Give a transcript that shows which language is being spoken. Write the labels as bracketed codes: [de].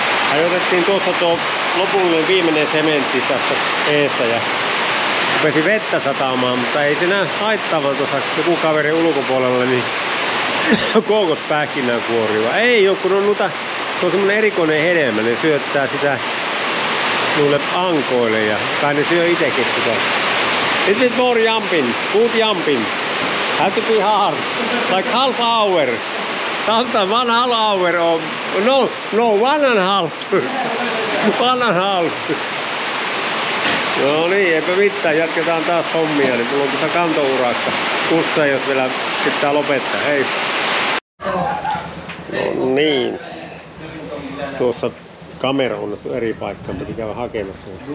[fi] Hajotettiin tuossa tuo lopullinen viimeinen sementti tässä eessä ja rupesi vettä satamaan, mutta ei sinä haittaa, vaan tuossa joku kaveri ulkopuolella niin kookospähkinän kuoriva. Ei ole, kun on noita, se on semmoinen erikoinen hedelmä, ne syöttää sitä noille ankoille ja kai ne syö itsekin sitä. [en] This is more jumping, good jumping. Have to be hard, like half hour. Sometimes one half hour or no, one and half. One and half. [fi] No niin, eipä mitään, jatketaan taas hommia, niin mulla on tuossa kantourakka. Kussa jos vielä pitää lopettaa, hei. No niin. Tuossa kamera on eri paikka, piti käydä hakemassa.